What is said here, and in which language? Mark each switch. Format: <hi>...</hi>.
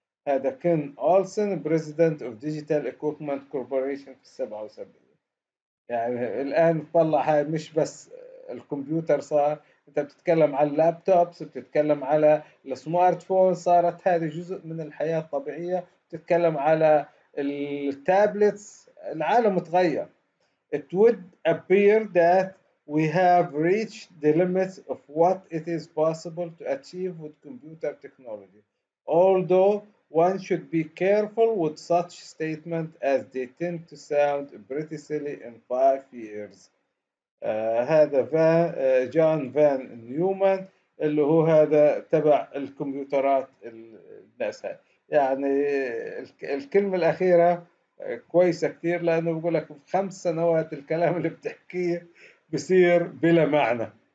<ar>هذا كين أولسن</ar> <en>President of Digital Equipment Corporation</en> <ar>في 77. يعني الآن تطلع هاي مش بس الكمبيوتر صار. انت بتتكلم على اللابتوبس، بتتكلم على السمارت فون، صارت هذه جزء من الحياة الطبيعية. بتتكلم على التابلتس، العالم تغير.</ar> <en>It would appear that we have reached the limits of what it is possible to achieve with computer technology. Although one should be careful with such statement as they tend to sound pretty silly in 5 years.</en> <ar>هذا جون فان نيومان اللي هو هذا تبع الكمبيوترات الناس. يعني الكلمة الأخيرة كويسة كتير، لأنه بقول لك في 5 سنوات الكلام اللي بتحكيه بصير بلا معنى.</ar>